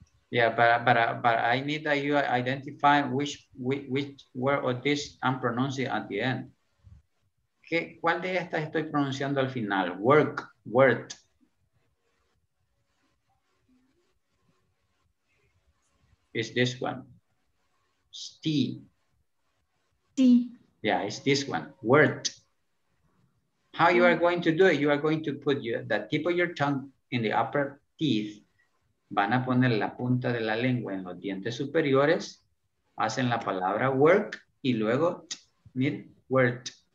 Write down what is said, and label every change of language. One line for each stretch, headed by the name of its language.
English: Yeah, but I need that you identify which word or this I'm pronouncing at the end.
Spanish: ¿Qué, cuál de estas estoy pronunciando al final?
English: Work, word. It's this one. Steve. Steve. Yeah, it's this one. Word. How you are going to do it? You are going to put the tip of your tongue in the upper teeth.
Spanish: Van a poner la punta de la lengua en los dientes superiores, hacen la palabra work y luego mid word.